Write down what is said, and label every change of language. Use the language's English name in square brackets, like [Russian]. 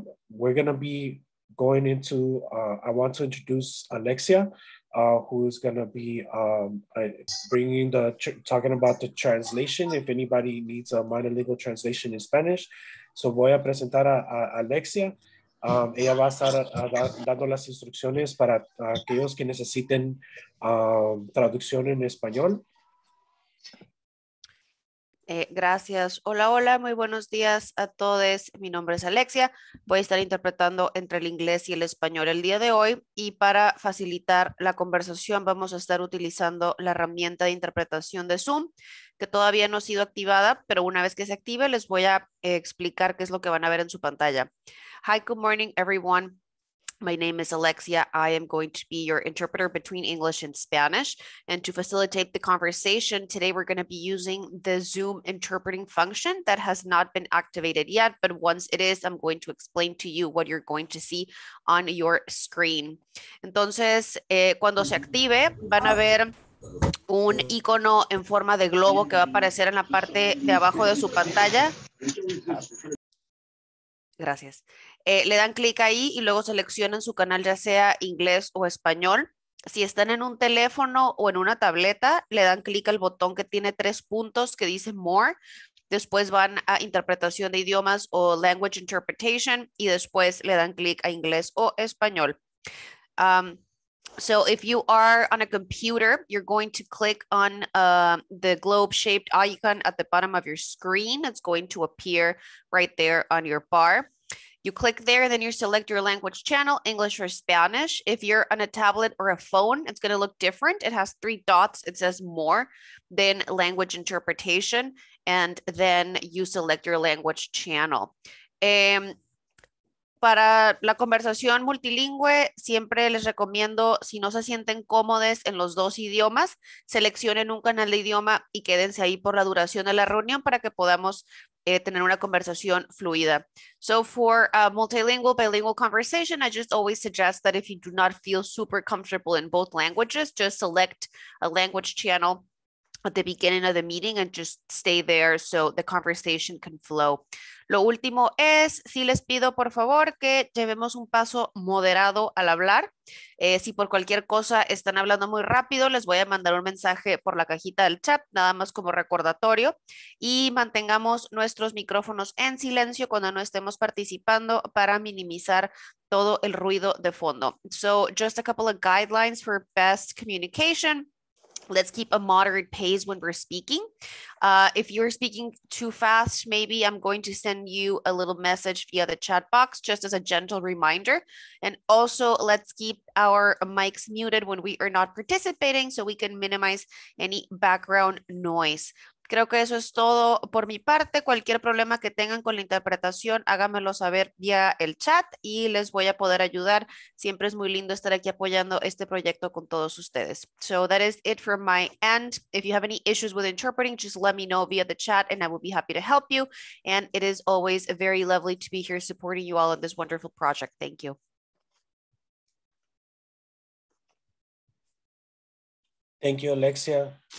[English] We're going to be going into, I want to introduce Alexia, who's going to be bringing the, talking about the translation, if anybody needs a minor legal translation in Spanish. [Spanish] So voy a presentar a Alexia. Ella va a estar dando las instrucciones para aquellos que necesiten traducción en español. Gracias. Hola, hola. Muy buenos días a todos. Mi nombre es Alexia. Voy a estar interpretando entre el inglés y el español el día de hoy. Y para facilitar la conversación, vamos a estar utilizando la herramienta de interpretación de Zoom, que todavía no ha sido activada, pero una vez que se active, les voy a explicar qué es lo que van a ver en su pantalla. [English] Hi, good morning, everyone. My name is Alexia. I am going to be your interpreter between English and Spanish. And to facilitate the conversation today, we're going to be using the Zoom interpreting function that has not been activated yet. But once it is, I'm going to explain to you what you're going to see on your screen. [Spanish] Entonces, cuando se active, van a ver un icono en forma de globo que va a aparecer en la parte de abajo de su pantalla. Gracias. Le dan clic ahí y luego seleccionan su canal, ya sea inglés o español. Si están en un teléfono o en una tableta, le dan clic al botón que tiene tres puntos que dice More. Después van a Interpretación de Idiomas o Language Interpretation y después le dan clic a inglés o español. [English] So if you are on a computer, you're going to click on the globe-shaped icon at the bottom of your screen. It's going to appear right there on your bar. You click there, then you select your language channel, English or Spanish. If you're on a tablet or a phone, it's going to look different. It has three dots. It says more, then language interpretation, and then you select your language channel. [Spanish] Para la conversación multilingüe, siempre les recomiendo, si no se sienten cómodos en los dos idiomas, seleccionen un canal de idioma y quédense ahí por la duración de la reunión para que podamos tener una conversación fluida. [English] So for a multilingual, bilingual conversation, I just always suggest that if you do not feel super comfortable in both languages, just select a language channel at the beginning of the meeting and just stay there so the conversation can flow. [Spanish] Lo último es, si les pido por favor que llevemos un paso moderado al hablar. Si por cualquier cosa están hablando muy rápido, les voy a mandar un mensaje por la cajita del chat, nada más como recordatorio. Y mantengamos nuestros micrófonos en silencio cuando no estemos participando para minimizar todo el ruido de fondo. [English] So, just a couple of guidelines for best communication. Let's keep a moderate pace when we're speaking. If you're speaking too fast, maybe I'm going to send you a little message via the chat box just as a gentle reminder. And also, let's keep our mics muted when we are not participating so we can minimize any background noise. [Spanish] Creo que eso es todo por mi parte. Cualquier problema que tengan con la interpretación, háganmelo saber vía el chat y les voy a poder ayudar. Siempre es muy lindo estar aquí apoyando este proyecto con todos ustedes. [English] So that is it from my end. If you have any issues with interpreting, just let me know via the chat and I will be happy to help you. And it is always very lovely to be here supporting you all in this wonderful project. Thank you. Thank you, Alexia.